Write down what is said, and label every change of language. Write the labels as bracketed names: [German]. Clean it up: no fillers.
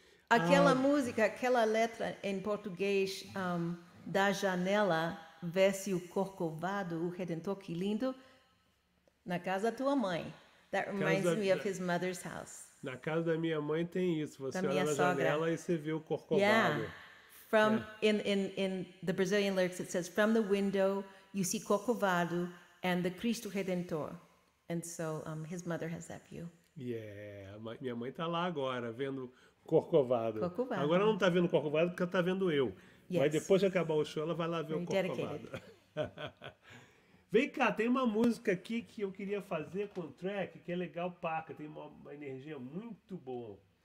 [Portuguese] Aquela música, aquela letra em português, da janela, veste o Corcovado, o Redentor, que lindo, na casa da tua mãe. [English] That reminds me of his mother's house. [Portuguese] Na casa da minha mãe tem isso, você olha na janela e você vê o Corcovado. [English] Yeah. From, yeah. In the Brazilian lyrics, it says, from the window, you see Corcovado and the Cristo Redentor. And so his mother has that view. Yeah, [Portuguese] minha mãe está lá agora, vendo Corcovado. Corcovado. Agora não está vendo Corcovado porque está vendo eu. [English] Yes. [Portuguese] Mas depois de acabar o show, ela vai lá ver [English] Very [Portuguese] o Corcovado. [English] Dedicated. [Portuguese] Vem cá, tem uma música aqui que eu queria fazer com o track, que é legal, paca, tem uma energia muito boa.